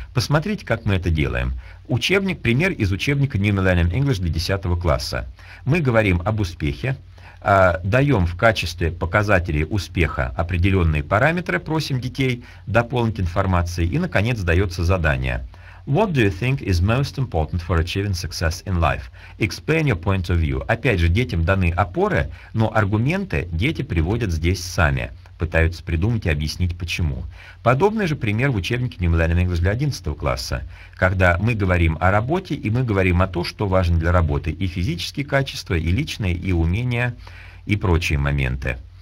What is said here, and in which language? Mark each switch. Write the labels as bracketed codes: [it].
[ru] Посмотрите, как мы это делаем. Учебник, пример из учебника New Millennium English для 10 класса. Мы говорим об успехе, даем в качестве показателей успеха определенные параметры, просим детей дополнить информацией, и, наконец, дается задание. [en] What do you think is most important for achieving success in life? Explain your point of view. [ru] Опять же, детям даны опоры, но аргументы дети приводят здесь сами. Пытаются придумать и объяснить, почему. Подобный же пример в учебнике New Millennium English для 11 класса, когда мы говорим о работе, и мы говорим о том, что важно для работы, и физические качества, и личные, и умения, и прочие моменты.